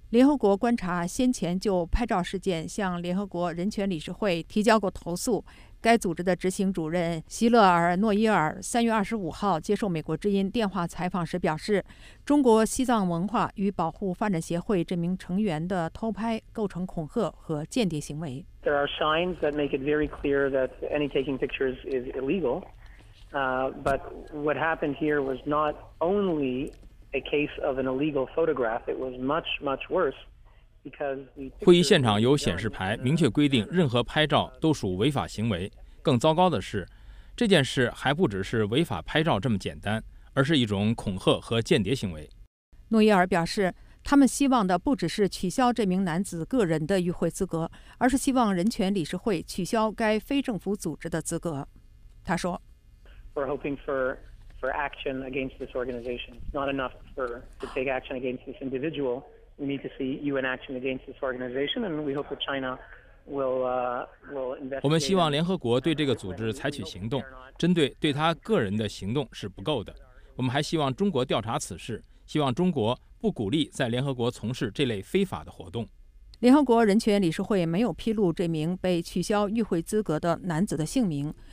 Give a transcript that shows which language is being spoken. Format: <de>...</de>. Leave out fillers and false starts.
<zh>联合国观察先前就拍照事件向联合国人权理事会提交过投诉，该组织的执行主任希勒尔·诺伊尔3月25号接受美国之音电话采访时表示，中国西藏文化与保护发展协会这名成员的偷拍构成恐吓和间谍行为。</zh> <en>There are signs that make it very clear that any taking pictures is illegal. But what happened here was not only a case of an illegal photograph. It was much, much worse.</en> <zh>会议现场有显示牌，明确规定任何拍照都属违法行为。更糟糕的是，这件事还不只是违法拍照这么简单，而是一种恐吓和间谍行为。诺伊尔表示，他们希望的不只是取消这名男子个人的与会资格，而是希望人权理事会取消该非政府组织的资格。他说</zh> <en>We're hoping for action against this organization. Not enough to take action against this individual. We need to see UN action against this organization, and we hope that China will investigate.</en> <zh>我们希望联合国对这个组织采取行动，针对对他个人的行动是不够的。我们还希望中国调查此事，希望中国不鼓励在联合国从事这类非法的活动。联合国人权理事会没有披露这名被取消与会资格的男子的姓名。</zh>